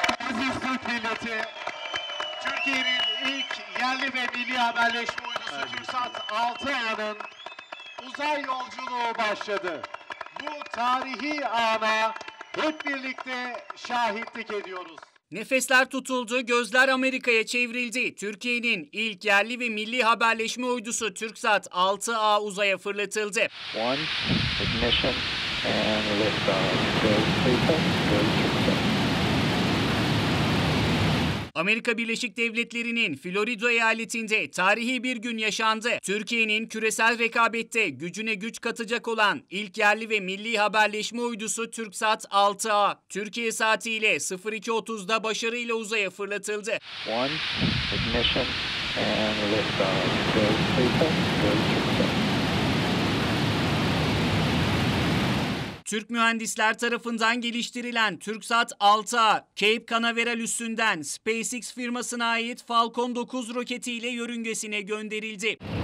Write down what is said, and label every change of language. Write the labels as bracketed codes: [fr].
[tr] Aziz Türk milleti, Türkiye'nin ilk yerli ve milli haberleşme uydusu TürkSat 6A'nın uzay yolculuğu başladı. Bu tarihi ana hep birlikte şahitlik ediyoruz. Nefesler tutuldu, gözler Amerika'ya çevrildi. Türkiye'nin ilk yerli ve milli haberleşme uydusu TürkSat 6A uzaya fırlatıldı. [en] One, ignition and liftoff. [tr] Amerika Birleşik Devletleri'nin Florida eyaletinde tarihi bir gün yaşandı. Türkiye'nin küresel rekabette gücüne güç katacak olan ilk yerli ve milli haberleşme uydusu TürkSat 6A, Türkiye saatiyle 02:30'da başarıyla uzaya fırlatıldı. [en] One, ignition and liftoff. [tr] Türk mühendisler tarafından geliştirilen TürkSat 6A, Cape Canaveral üssünden SpaceX firmasına ait Falcon 9 roketiyle yörüngesine gönderildi.